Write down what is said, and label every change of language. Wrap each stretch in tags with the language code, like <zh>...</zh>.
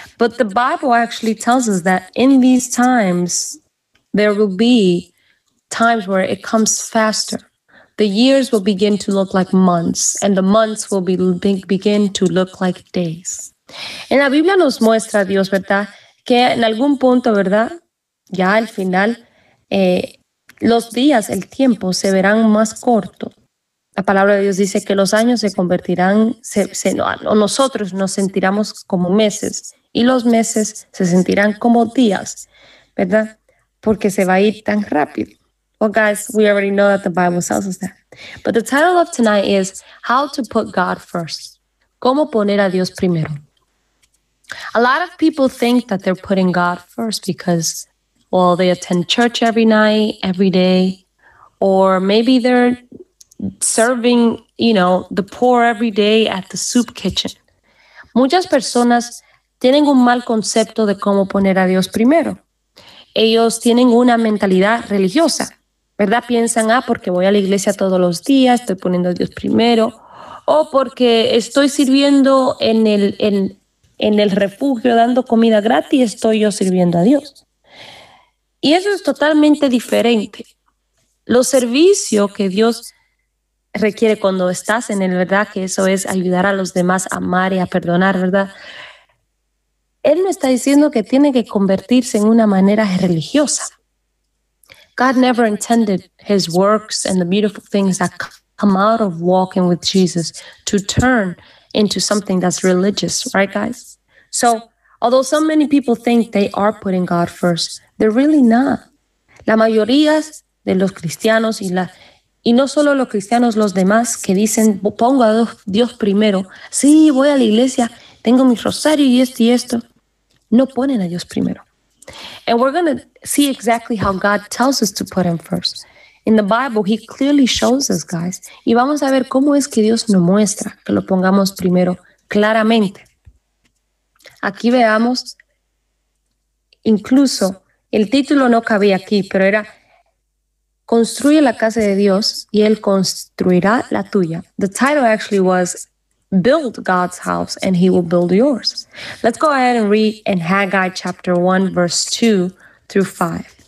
<en>But the Bible actually tells us that in these times, there will be times where it comes faster. The years will begin to look like months, and the months will begin to look like days.</en> <es>En la Biblia nos muestra Dios, ¿verdad? Que en algún punto, ¿verdad? Ya al final, los días, el tiempo, se verán más corto. La palabra de Dios dice que los años se convertirán, nosotros nos sentiremos como meses, y los meses se sentirán como días, ¿verdad? Porque se va a ir tan rápido.</es> <en>Well, guys, we already know that the Bible tells us that. But the title of tonight is How to Put God First.</en> <es>¿Cómo poner a Dios primero?</es> <en>A lot of people think that they're putting God first because, well, they attend church every night, every day, or maybe they're serving, you know, the poor every day at the soup kitchen.</en> <es>Muchas personas tienen un mal concepto de cómo poner a Dios primero. Ellos tienen una mentalidad religiosa, ¿verdad? Piensan, porque voy a la iglesia todos los días, estoy poniendo a Dios primero, o porque estoy sirviendo en el refugio, dando comida gratis, estoy yo sirviendo a Dios. Y eso es totalmente diferente. Los servicios que Dios requiere cuando estás en él, ¿verdad? Que eso es ayudar a los demás a amar y a perdonar, ¿verdad? Él no está diciendo que tiene que convertirse en una manera religiosa.</es> <en>God never intended his works and the beautiful things that come out of walking with Jesus to turn into something that's religious, right, guys? So, although so many people think they are putting God first, they're really not.</en> <es>La mayoría de los cristianos y no solo los cristianos, los demás que dicen, pongo a Dios primero, sí, voy a la iglesia, tengo mi rosario y esto, no ponen a Dios primero.</es> <en>And we're going to see exactly how God tells us to put him first. In the Bible, he clearly shows us, guys.</en> <es>Y vamos a ver cómo es que Dios nos muestra que lo pongamos primero claramente. Aquí veamos, incluso, el título no cabía aquí, pero era Construye la casa de Dios y él construirá la tuya.</es> <en>The title actually was Build God's house and he will build yours. Let's go ahead and read in Haggai chapter 1, verse 2 through 5.</en>